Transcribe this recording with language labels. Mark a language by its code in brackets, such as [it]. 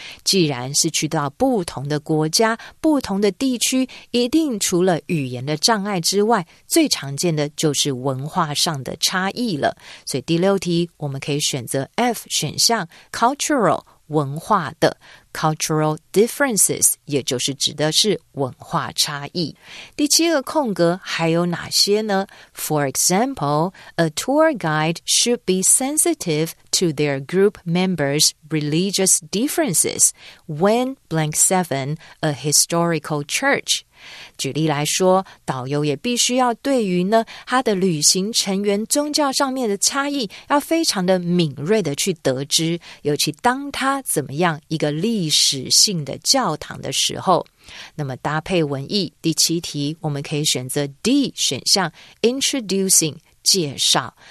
[zh] 既然是去到不同的国家、不同的地区，一定除了语言的障碍之外，最常见的就是文化上的差异了。所以第六题我们可以选择 F 选项 cultural 文化的。 Cultural differences, 也就是指的是文化差异。第七个空格还有哪些呢? [en] For example, a tour guide should be sensitive to their group members' religious differences when blank seven, a historical church. [zh] 举例来说，导游也必须要对于呢他的旅行成员宗教上面的差异要非常的敏锐的去得知，尤其当他怎么样一个历史性的教堂的时候。那么搭配文意，第七题我们可以选择 D 选项 introducing 介绍。